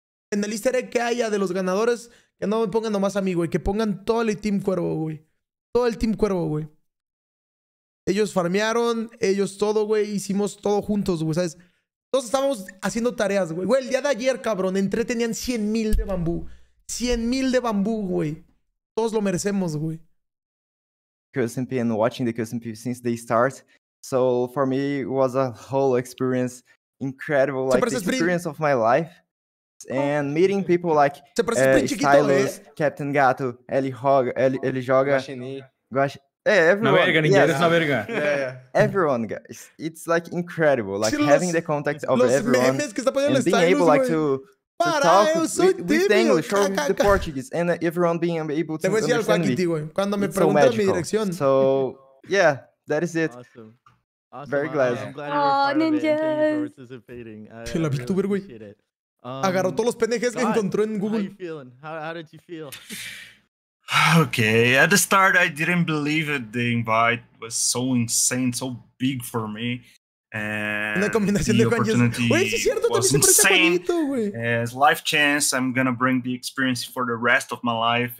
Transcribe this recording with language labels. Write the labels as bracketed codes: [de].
[es] En el easter egg que haya de los ganadores, que no me pongan nomás a mí, güey. Que pongan todo el Team Cuervo, güey. Todo el Team Cuervo, güey. Ellos farmearon, ellos todo, güey. Hicimos todo juntos, güey, ¿sabes? Todos estábamos haciendo tareas, güey. Güey, el día de ayer, cabrón, entré, tenían 100,000 de bambú. 100,000 de bambú, güey. Todos lo merecemos, güey. [en] QSMP and watching the QSMP since they start. So, for me, it was a whole experience. Incredible, like, the experience of my life. And meeting people like Stylus, Captain Gato, Eli Joga, Guaxinim. Everyone, guys. It's like incredible, like having the contact of everyone and being able like to talk with the English or with the Portuguese and everyone being able to understand me. It's so magical. So yeah, that is it. Awesome. Very glad. Oh, ninjas. [es] Que la VTuber, güey. Agarró todos los pendejes que encontró en Google. [en] How did you feel? Okay, at the start I didn't believe it. The invite was so insane, so big for me, and the opportunity was insane. It's life chance. I'm gonna bring the experience for the rest of my life.